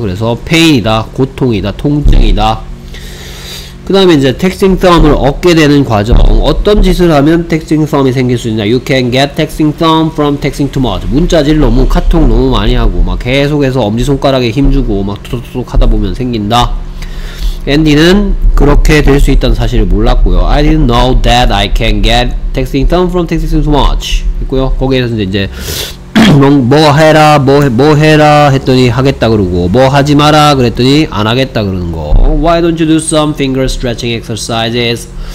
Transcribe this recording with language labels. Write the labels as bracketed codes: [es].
[ko] 그래서 pain이다, 고통이다, 통증이다. 그 다음에 이제 texting thumb을 얻게 되는 과정, 어떤 짓을 하면 texting thumb이 생길 수 있냐. [en] You can get texting thumb from texting too much. [ko] 문자질 너무 카톡 너무 많이 하고 막 계속해서 엄지손가락에 힘주고 막 톡톡톡 하다보면 생긴다. 앤디는 그렇게 될 수 있다는 사실을 몰랐고요. [en] I didn't know that I can get texting thumb from texting too much 있고요. [ko] 거기에서 이제 뭐 해라 했더니 하겠다 그러고 뭐 하지 마라 그랬더니 안 하겠다 그러는 거. [en] Why don't you do some finger stretching exercises?